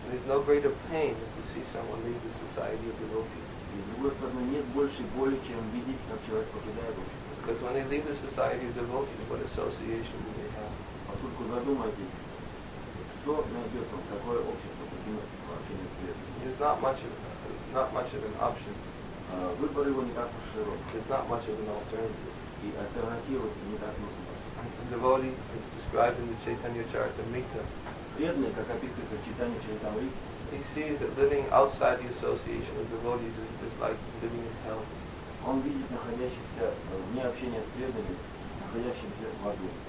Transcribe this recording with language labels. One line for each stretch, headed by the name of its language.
English: There is no greater pain than to see someone leave the society of devotees.
Russian: И с другой стороны, нет большей боли, чем видеть, как человек покидает общество.
English: Because when they leave the society of devotees, what association do they have?
Russian: Поскольку задумайтесь, что найдет вам такое общество, покинув общение с преданными?
English: It's not much of an option.
Russian: Выбор его не так уж широк.
English: There's not much of an alternative.
Russian: И альтернатива не так много.
English: Devotee is described in the Chaitanya Charitamrita.
Russian: Преданный, как описывается в Chaitanya Charitamrita,
English: he sees that living outside the association of devotees is like living in hell.
Russian: Он видит находящихся вне общения с преданными, находящихся в аду.